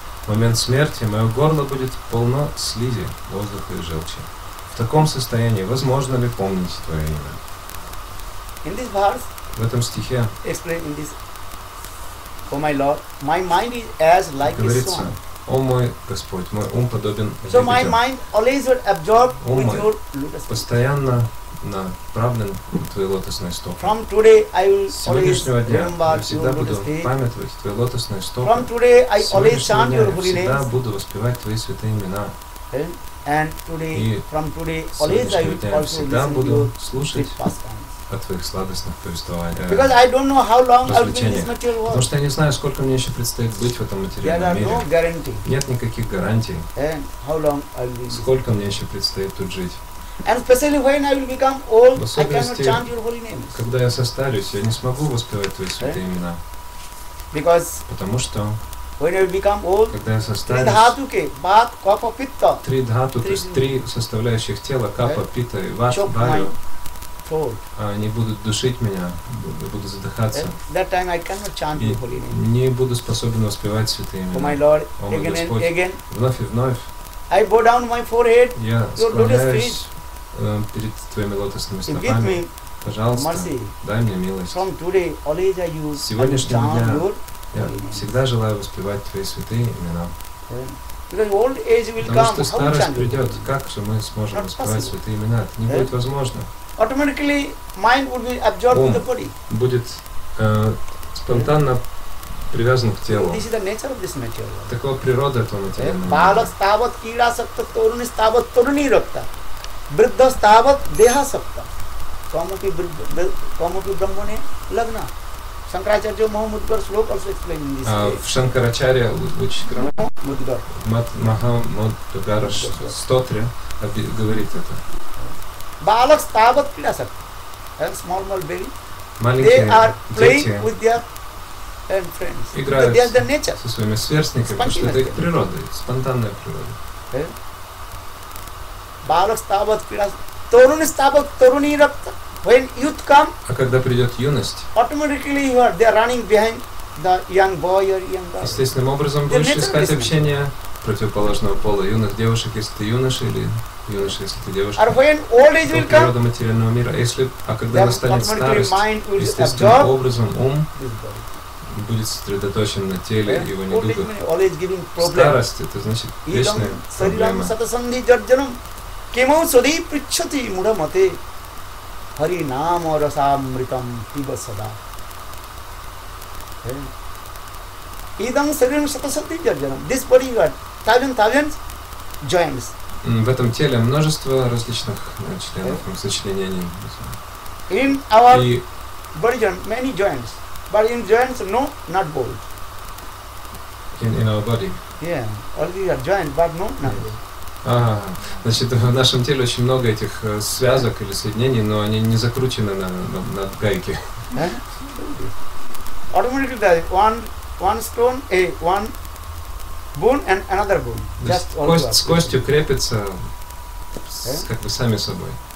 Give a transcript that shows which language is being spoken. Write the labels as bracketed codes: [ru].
[ru] В момент смерти мое горло будет полно слизи, воздуха и желчи. В таком состоянии возможно ли помнить твое имя? [en] In this verse, [ru] в этом стихе [en] explain in this. Oh my Lord, my mind is as like a swan. [ru] О мой Господь, мой ум подобен лебедям. [en] So my mind always will absorb with your lotus feet. [ru] Постоянно направлен твои лотосные стопы. [en] From today I will [ru] с сегодняшнего дня я всегда буду памятовать твои лотосные стопы. [en] From today I always chant your holy [ru] Всегда буду воспевать твои святые имена. [en] And today, from today, always I will also listen to [ru] буду слушать о твоих сладостных повествованиях. [en] Because I don't know how long I'll be in this material world. [ru] Потому что я не знаю, сколько мне еще предстоит быть в этом материальном мире. [en] There are no guarantee. [ru] Нет никаких гарантий. [en] And how long I'll be in this. [ru] Сколько мне еще предстоит тут жить? [en] And especially when I will become old, I cannot chant your holy names. [ru] Когда я состарюсь, я не смогу воспевать твои святые имена. [en] Because [ru] потому что [en] when I will become old, [ru] когда я состарюсь, три дхатуки, бат, капа, питта. Три дхату, то есть три составляющих тела, капа, питта и ват, баю. Они будут душить меня, буду задыхаться. [en] That time I cannot chant your holy name. [ru] Не буду способен воспевать святые имена. [en] Oh my Lord, again and again. [ru] Вновь и вновь. [en] I bow down my forehead. [ru] Я склоняюсь перед твоими лотосными стопами. Пожалуйста, дай мне милость. [en] From today, always I use. [ru] Сегодняшнего дня я всегда желаю воспевать твои святые имена. [en] Because old age will [ru] Потому что старость придет. Как же мы сможем воспевать святые имена? Это не будет возможно. [en] Automatically mind would be absorbed in the body. [ru] Будет спонтанно привязан к телу. [en] This is the nature of this material. [ru] Такова природа этого материала. [sa] Балак стават кира сакта, торуни стават торуни ракта, вриддха стават деха сакта. Камапи брахмане лагна. [en] Shankaracharya Mahamudgar slok also explain in this way. Shankaracharya which Mahamudgar. [ru] Mahamudgar stotra говорит это. [sa] Балак стават кида сак, [en] and small baby, [ru] маленькие [en] they are playing [ru] дети [en] with their and friends. [ru] Играют [en] they are the nature. [ru] Со своими сверстниками, потому что это их природа, спонтанная природа. [sa] Балак стават кида сак, торуни стават торуни ракта. [en] When youth come, [ru] а когда придет юность, [en] automatically you are, they are running behind the young boy or young girl. [ru] Естественным образом будешь искать общение противоположного пола, юных девушек, если ты юноша, или юноша, если ты девушка. [en] Or when old age will come, [ru] природа материального мира, если, а когда настанет старость, естественным образом ум будет сосредоточен на теле и его недугах. Старость — это значит вечная проблема. [sa] Сатасанги джарджанам кемау сади причати мурамате хари нам расамритам пибасада. Идам сарирам сатасанги джарджанам. [en] This body got thousands joints. [ru] В этом теле множество различных членов, сочленений. [en] In our body many joints. But in joints, no, not bold. In our body? Yeah, all these are joints, but no, not bold. [ru] Ага, значит, в нашем теле очень много этих связок или соединений, но они не закручены на гайки. [en] Automatically, yeah? One stone, one bone and another bone. Just all [ru] С костью крепится, как бы сами собой.